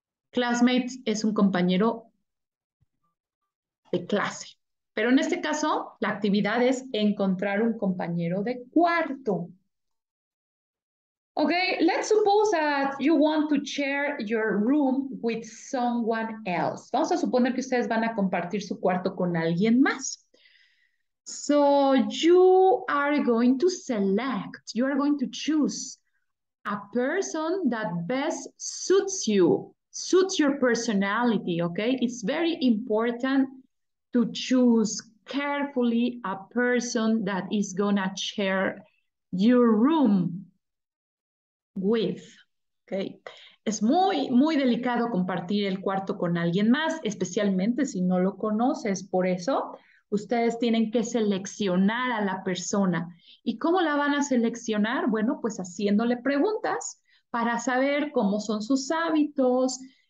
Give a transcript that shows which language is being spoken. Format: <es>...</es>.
<es>Classmate es un compañero de clase. Pero en este caso, la actividad es encontrar un compañero de cuarto.</es> <en>Okay, let's suppose that you want to share your room with someone else.</en> <es>Vamos a suponer que ustedes van a compartir su cuarto con alguien más.</es> <en>So you are going to select, you are going to choose a person that best suits you, suits your personality, okay? It's very important to choose carefully a person that is gonna share your room with. Okay.</en> <es>Es muy, muy delicado compartir el cuarto con alguien más, especialmente si no lo conoces. Por eso, ustedes tienen que seleccionar a la persona. ¿Y cómo la van a seleccionar? Bueno, pues haciéndole preguntas para saber cómo son sus hábitos.</es>